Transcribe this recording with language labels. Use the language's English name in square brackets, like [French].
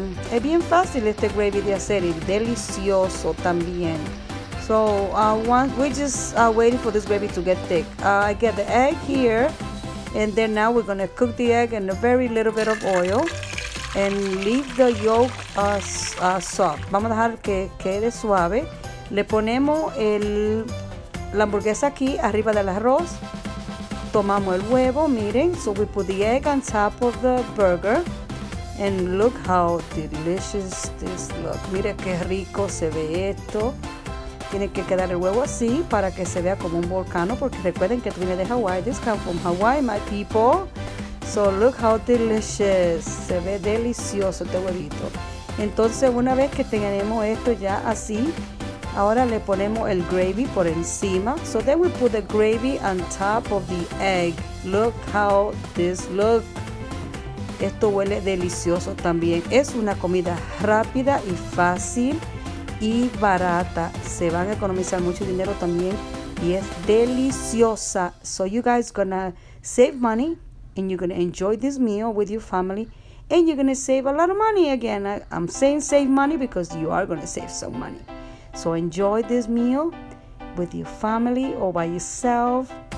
[Spanish] Es bien fácil este gravy de hacer y delicioso también. [English] So we're just waiting for this gravy to get thick. I get the egg here, and then now we're gonna cook the egg in a very little bit of oil and leave the yolk soft. [Spanish] Vamos a dejar que quede suave. Le ponemos la hamburguesa aquí arriba del arroz. Tomamos el huevo, miren. [English] So we put the egg on top of the burger. And look how delicious this looks. [Spanish] Mira qué rico se ve esto. Tiene que quedar el huevo así para que se vea como un volcán. Porque recuerden que viene de Hawaii. [English] This comes from Hawaii, my people. So look how delicious. [Spanish] Se ve delicioso este huevito. Entonces, una vez que tenemos esto ya así, ahora le ponemos el gravy por encima. [English] So then we put the gravy on top of the egg. Look how this looks. [Spanish] Esto huele delicioso también. Es una comida rápida y fácil y barata. Se van a economizar mucho dinero también y es deliciosa. [English] So you guys gonna save money and you're gonna enjoy this meal with your family and you're gonna save a lot of money again. I'm saying save money because you are gonna save some money. So enjoy this meal with your family or by yourself.